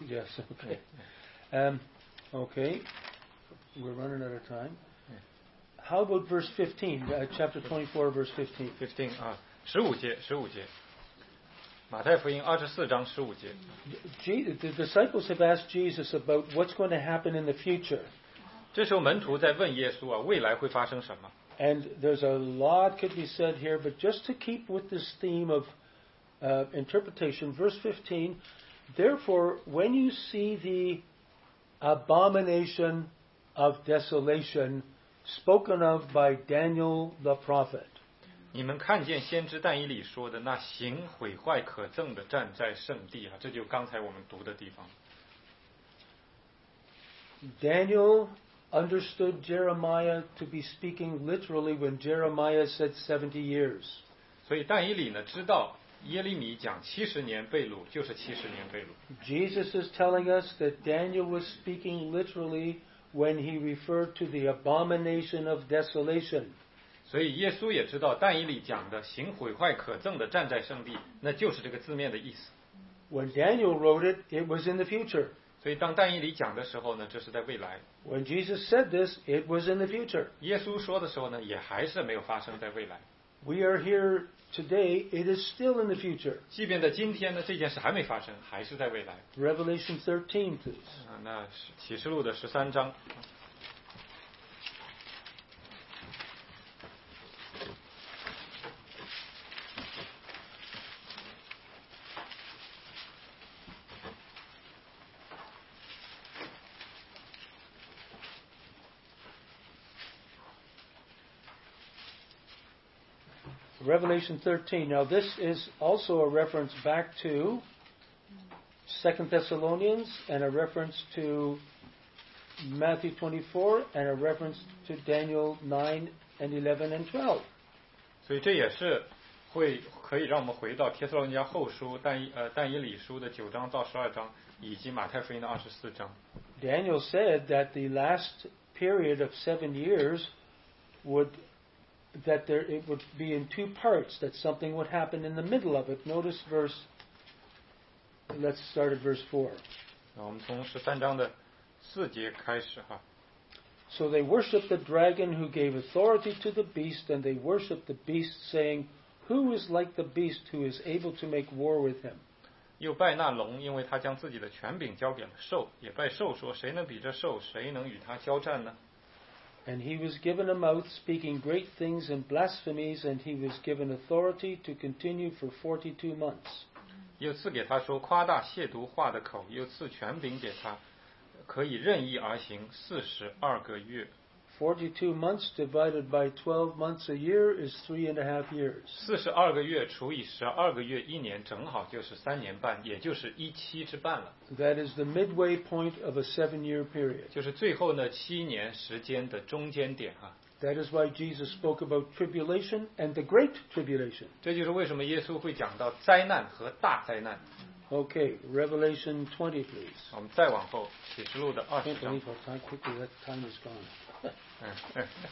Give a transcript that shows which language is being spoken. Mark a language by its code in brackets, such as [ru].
[en] Yes, okay. Okay. We're running out of time. How about verse 15, chapter 24, verse 15? [zh] 15, 15节。马太福音24章15节。 [en] The disciples have asked Jesus about what's going to happen in the future. [zh] 这时候门徒在问耶稣啊，未来会发生什么？ [en] And there's a lot could be said here, but just to keep with this theme of interpretation, verse 15, therefore, when you see the abomination of desolation, spoken of by Daniel the prophet. [zh] 你们看见先知但以理说的那行毁坏可憎的站在圣地啊，这就刚才我们读的地方。 [en] Daniel understood Jeremiah to be speaking literally when Jeremiah said 70 years. [zh] 所以但以理呢，知道耶利米讲七十年被掳就是七十年被掳。 [en] Jesus is telling us that Daniel was speaking literally when he referred to the abomination of desolation. [zh] 所以耶稣也知道但以理讲的行毁坏可憎的站在圣地，那就是这个字面的意思。 [en] When Daniel wrote it, it was in the future. [zh] 所以当但以理讲的时候呢，这是在未来。 [en] When Jesus said this, it was in the future. [zh] 耶稣说的时候呢，也还是没有发生在未来。 [en] We are here today, it is still in the future. [zh] 即便在今天呢，这件事还没发生，还是在未来。 [en] Revelation 13, please. [zh] 那是启示录的13章。 [en] Revelation 13. Now this is also a reference back to 2 Thessalonians and a reference to Matthew 24 and a reference to Daniel 9 and 11 and 12. [zh] 所以这也是会可以让我们回到帖撒罗尼迦后书但以理书的9章到12章以及马太福音的24章。 [en] Daniel said that the last period of 7 years it would be in two parts, that something would happen in the middle of it. Notice verse, let's start at verse 4. [zh] 那我们从13章的4节开始哈。 [en] So they worshiped the dragon who gave authority to the beast, and they worshiped the beast, saying, Who is like the beast who is able to make war with him? [zh] 又拜那龙，因为他将自己的权柄交给了兽，也拜兽说，谁能比这兽，谁能与他交战呢？ [en] And he was given a mouth speaking great things and blasphemies, and he was given authority to continue for 42 months. [zh] 又赐给他说夸大亵渎话的口，又赐权柄给他，可以任意而行42个月。 [en] 42 months divided by 12 months a year is 3.5 years. [zh] 42个月除以12个月一年，正好就是3年半，也就是1/7之半了。 [en] That is the midway point of a 7-year period. [zh] 就是最后呢7年时间的中间点啊。 [en] That is why Jesus spoke about tribulation and the great tribulation. [zh] 这就是为什么耶稣会讲到灾难和大灾难。 [en] Okay, Revelation 20, please. [zh] 我们再往后，启示录的20章。 [en] Can't believe how time quickly that time is gone.